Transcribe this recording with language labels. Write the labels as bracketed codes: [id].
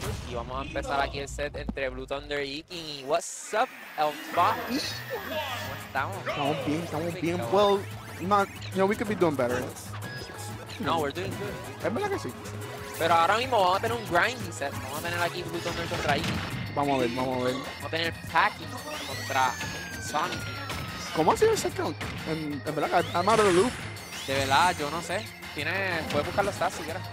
[es] Y vamos a empezar aquí el set entre Blue Thunder y King. [en] What's up, Elfa? [es] ¿Cómo estamos? Estamos bien. [en] Well, not, you know, we could be doing better. No, we're doing good. [es] Es verdad que sí. Pero ahora mismo vamos a tener un grindy set. Vamos a tener aquí Blue Thunder contra Iggy. Vamos a ver, vamos a ver. Vamos a tener Packy contra Sonic. ¿Cómo ha sido ese count? En verdad, [en] I'm out of the loop. [es] De verdad, yo no sé. Puedes buscar los stats si quieres.